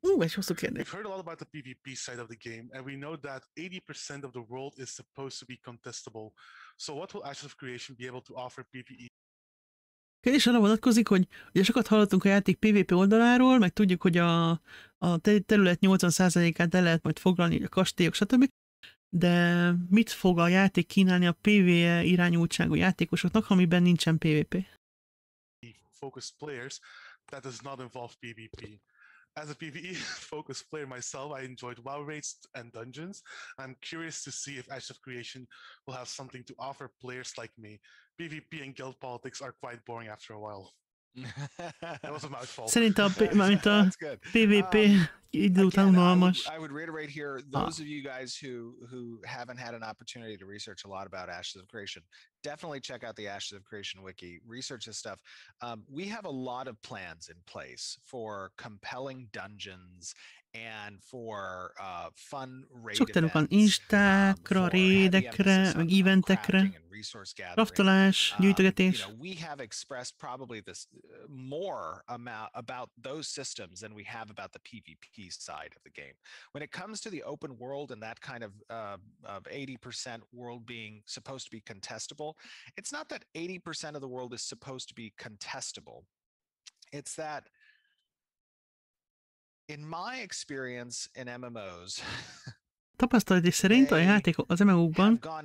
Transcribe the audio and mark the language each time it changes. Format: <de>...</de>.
<en>We've heard a lot about the PvP side of the game and we know that 80% of the world is supposed to be contestable. So what will Ashes of Creation be able to offer PvE?</en> <hu>Kérdés arra vonatkozik, hogy ugye sokat hallottunk a játék PvP oldaláról, meg tudjuk, hogy a terület 80%-át el lehet majd foglalni, a kastélyok, stb. De mit fog a játék kínálni a PvE irányultságú játékosoknak, amiben nincsen PvP?</hu> <en>Focused players that does not involve PvP. As a PvE-focused player myself, I enjoyed WoW raids and dungeons. I'm curious to see if Ashes of Creation will have something to offer players like me. PvP and guild politics are quite boring after a while. That was a mouthful.</en> <hu>Szerintem a PvP idő után unalmas.</hu> <en>I would reiterate here, those of you guys who haven't had an opportunity to research a lot about Ashes of Creation, definitely check out the Ashes of Creation wiki, research this stuff. We have a lot of plans in place for compelling dungeons and for fun raid</en> <hu>sok</hu> <en>events.</en> <hu>Van Instákra, raidekre, meg eventekre, raftolás, gyűjtögetés.</hu> <en>You know, we have expressed probably this more amount about those systems than we have about the PvP side of the game. When it comes to the open world and that kind of 80% world being supposed to be contestable, it's not that 80% of the world is supposed to be contestable. It's that in my experience in MMOs,</en> <hu>tapasztalati szerint a játék az MMO-kban</hu>